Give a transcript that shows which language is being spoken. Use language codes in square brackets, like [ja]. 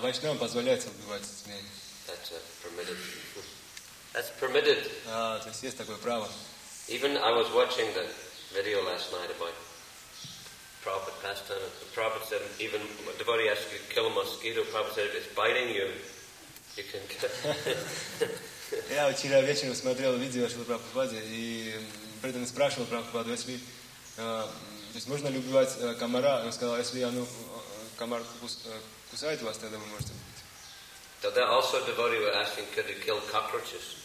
[ru] Вайшнавам позволяется убивать змей. [en] That's permitted. That's permitted. [ru] То есть есть такое право. [en] Even I was watching the video last night about Prabhupada pastime. The Prabhupada said even a devotee asks you to kill a mosquito. Prabhupada said if it's biting you, you can kill. [ru] Я вчера вечером смотрел видео, что Прабхупаде, и преданный спрашивал Прабхупаду, если то есть можно ли убивать комара? Он сказал, если комар кусает вас, тогда вы можете убить.